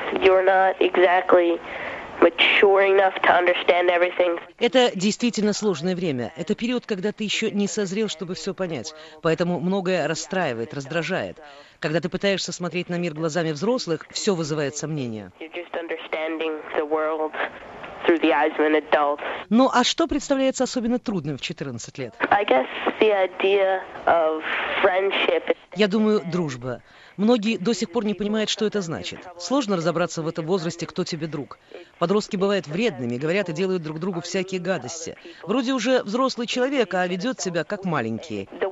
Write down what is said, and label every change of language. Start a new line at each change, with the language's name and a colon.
English: You're not exactly mature enough to understand everything.
Russian: Это действительно сложное время. Это период, когда ты еще не созрел, чтобы все понять. Поэтому многое расстраивает, раздражает. Когда ты пытаешься смотреть на мир глазами взрослых, все вызывает сомнения.
English: You're just understanding the world through the eyes of an adult.
Russian: Ну а что представляется особенно трудным в 14 лет?
English: I guess the idea of friendship.
Russian: Я думаю, дружба. Многие до сих пор не понимают, что это значит. Сложно разобраться в этом возрасте, кто тебе друг. Подростки бывают вредными, говорят и делают друг другу всякие гадости. Вроде уже взрослый человек, а ведет себя как маленький.